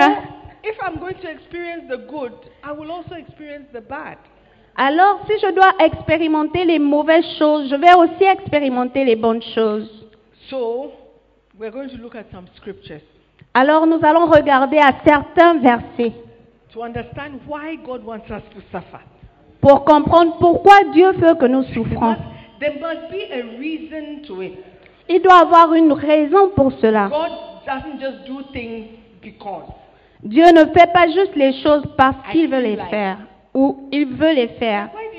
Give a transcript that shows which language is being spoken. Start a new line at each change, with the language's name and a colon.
English: So, if I'm going to experience the good, I will also experience the bad.
French: Alors, si je dois expérimenter les mauvaises choses, je vais aussi expérimenter les bonnes choses.
English: So, we're going to look at some scriptures.
French: Alors, nous allons regarder à certains versets.
English: To understand why God wants us to suffer.
French: Pour comprendre pourquoi Dieu veut que nous souffrons.
English: There must be a reason to it.
French: Il doit avoir une raison pour cela.
English: God doesn't just do things because.
French: Dieu ne fait pas juste les choses parce qu'il veut les faire. Où il veut les faire.